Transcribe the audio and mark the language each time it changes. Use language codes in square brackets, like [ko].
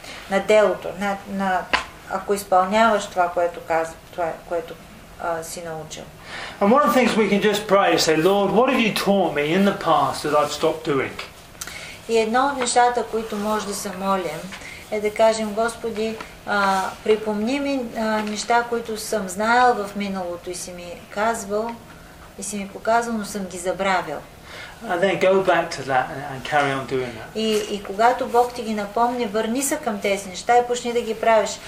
[bg] На делото, ако изпълняваш това, което казва, това, което си научил. [en] And one of the things we can just pray is say, Lord, what have you taught me in the past that I've stopped doing? [bg] И едно от нещата, които може да се молим, е да кажем, Господи, припомни ми неща, които съм знаел в миналото и си ми казвал, и си ми показвал, но съм ги забравил. [en] And then go back to that and carry on doing that. [bg] И когато Бог ти ги напомни, върни се към тези неща и почни да ги правиш.